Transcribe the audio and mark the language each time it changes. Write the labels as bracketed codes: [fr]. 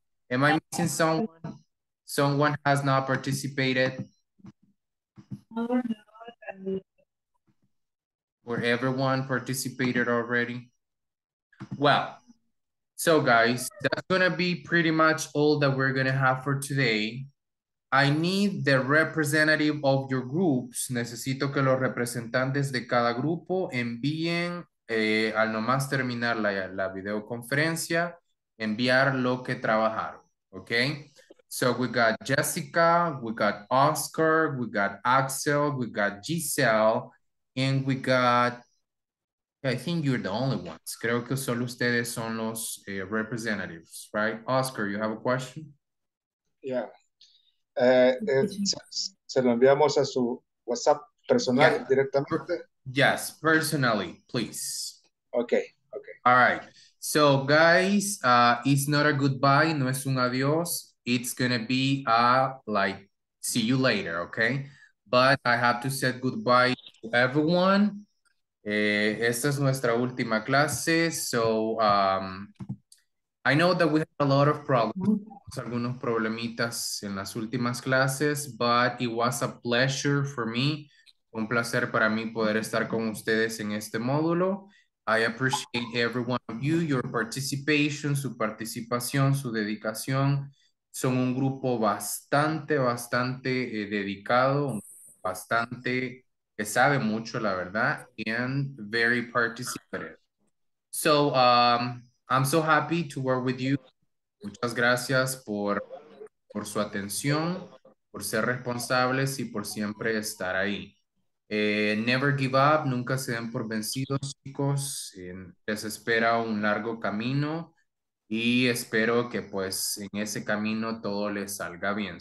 [en] Am I missing someone? Someone has not participated? Where everyone participated already? Well, so guys, that's gonna be pretty much all that we're gonna have for today. I need the representative of your groups. [es] Necesito que los representantes de cada grupo envíen al nomás terminar la videoconferencia, enviar lo que trabajaron, okay? [en] So we got Jessica, we got Oscar, we got Axel, we got Giselle, and we got, I think you're the only ones. [es] Creo que solo ustedes son los [en] representatives, right? Oscar, you have a question? [es] Yeah. Se lo enviamos a su WhatsApp personal, yeah, directamente. [en] Yes, personally, please. Okay, okay. All right. So guys, it's not a goodbye, [es] no es un adiós. [en] It's gonna be like, see you later, okay? But I have to say goodbye to everyone. [es] Esta es nuestra última clase. [en] So I know that we have a lot of problems, [es] algunos problemitas en las últimas clases, [en] but it was a pleasure for me. [es] Un placer para mí poder estar con ustedes en este módulo. [en] I appreciate every one of you, your participation, [es] su participación, su dedicación. Son un grupo bastante, bastante dedicado, bastante, que sabe mucho, la verdad, [en] and very participative. So, I'm so happy to work with you. [es] Muchas gracias por su atención, por ser responsables y por siempre estar ahí. [en] Never give up, [es] nunca se den por vencidos, chicos. Les espera un largo camino. Y espero que pues en ese camino todo le salga bien.